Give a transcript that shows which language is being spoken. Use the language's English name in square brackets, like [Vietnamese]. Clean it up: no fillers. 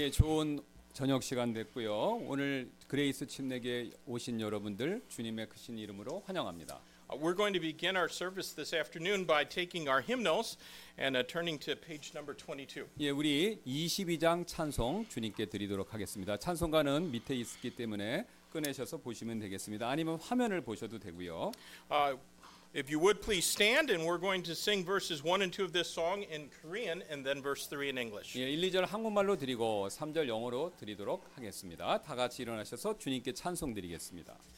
[Korean] 예, 좋은 저녁 시간 됐고요. 오늘 그레이스 침례에 오신 여러분들 주님의 크신 이름으로 환영합니다. [English] We're going to begin our service this afternoon by taking our hymnals and turning to page number 22. [Korean] 예, 우리 22장 찬송 주님께 드리도록 하겠습니다. 찬송가는 밑에 있기 때문에 꺼내셔서 보시면 되겠습니다. 아니면 화면을 보셔도 되고요. [English] If you would please stand and we're going to sing verses 1 and 2 of this song in Korean and then verse 3 in English. [Korean] 예, 1, 2절 한국말로 드리고 3절 영어로 드리도록 하겠습니다. 다 같이 일어나셔서 주님께 찬송 드리겠습니다.